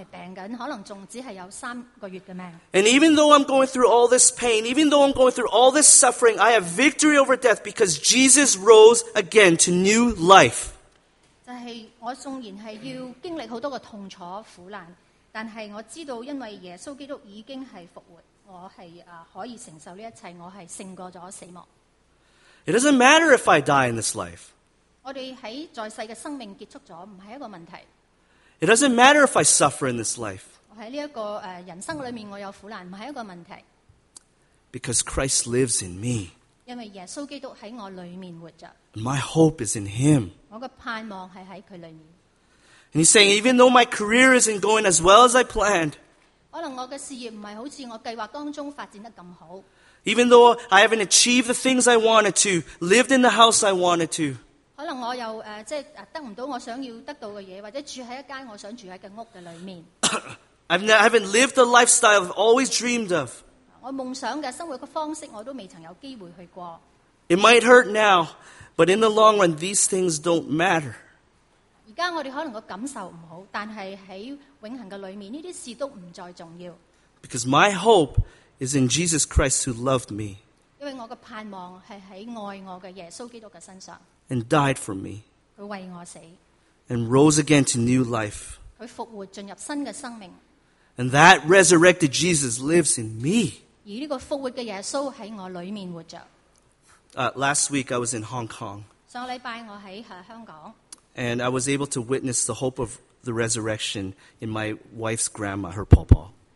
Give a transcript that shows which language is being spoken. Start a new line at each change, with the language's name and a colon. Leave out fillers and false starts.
Chinese: 他說我可能是病,可能只有三個月的命。
English: And even though I'm going through all this pain, even though I'm going through all this suffering, I have victory over death because Jesus rose again to new life.
Chinese: 就是我纵然是要经历很多的痛楚苦难,但是我知道因为耶稣基督已经是复活。
English: It doesn't matter if I die in this life.
Chinese: 我们在世的生命结束了, 不是一个问题。
English: It doesn't matter if I suffer in this life.
Chinese: 我在这个, 人生里面, 我有苦难, 不是一个问题,
English: because Christ lives in me.
Chinese: 因为耶稣基督在我里面活着,
English: my hope is in Him.
Chinese: 我的盼望是在他里面。
English: And He's saying, even though my career isn't going as well as I planned,
Chinese: 可能我的事业不是好像我计划当中发展得那么好,
English: even though I haven't achieved the things I wanted to, lived in the house I wanted to,
Chinese: 可能我又, 即得不到我想要得到的东西, 或者住在一间我想住在的屋里面,
English: I haven't lived the lifestyle I've always dreamed of.
Chinese: 我梦想的生活的方式我都未曾有机会去过。
English: It might hurt now, but in the long run, these things don't matter.
Chinese: 现在我们可能感受不好, 但是在永恒的里面, 这些事都不再重要。
English: Because my hope is in Jesus Christ who loved me.
Chinese: 因为我的盼望是在爱我的耶稣基督的身上。
English: And died for me.
Chinese: 他为我死。
English: And rose again to new life.
Chinese: 他复活进入新的生命。
English: And that resurrected Jesus lives in me.
Chinese: 而这个复活的耶稣在我里面活着。
English: Last week I was in Hong Kong.
Chinese: 上个礼拜我在香港。
English: And I was able to witness the hope of the resurrection in my wife's grandma, her pawpaw.